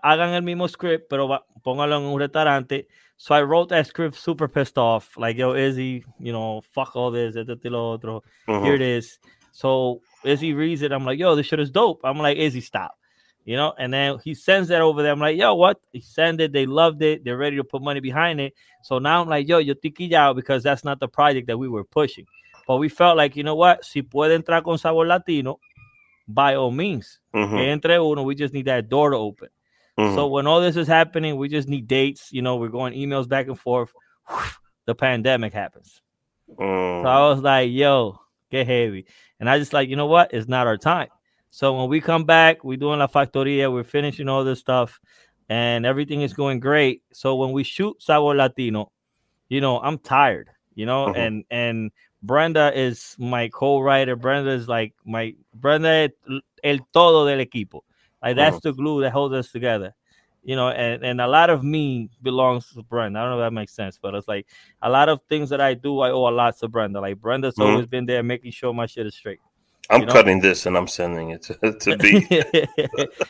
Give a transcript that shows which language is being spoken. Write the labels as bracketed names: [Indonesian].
[Spanish] Hagan el mismo script, pero póngalo en un restaurante. [English] So I wrote that script super pissed off. Like, yo, Izzy, you know, fuck all this, [Spanish] este lo otro. [English] Uh-huh. Here it is. So Izzy reads it. I'm like, yo, this shit is dope. I'm like, Izzy, stop. You know? And then he sends that over there. I'm like, yo, what? He sends it. They loved it. They're ready to put money behind it. So now I'm like, yo, yo tiquillao out because that's not the project that we were pushing. But we felt like, you know what? [Spanish] Si puede entrar con Sabor Latino, [English] by all means. Uh-huh. [Spanish] Entre uno. [English] We just need that door to open. Mm-hmm. So when all this is happening, we just need dates. You know, we're going emails back and forth. Whew, the pandemic happens. So I was like, yo, get heavy. And I just like, you know what? It's not our time. So when we come back, we're doing La Factoria. We're finishing all this stuff. And everything is going great. So when we shoot Sabor Latino, you know, I'm tired. You know, mm-hmm. and Brenda is my co-writer. Brenda is like my Brenda [Spanish] el todo del equipo. [English] Like, that's the glue that holds us together, you know, and a lot of me belongs to Brenda. I don't know if that makes sense, but it's like a lot of things that I do, I owe a lot to Brenda. Like, Brenda's always been there making sure my shit is straight. I'm cutting this and I'm sending it to B.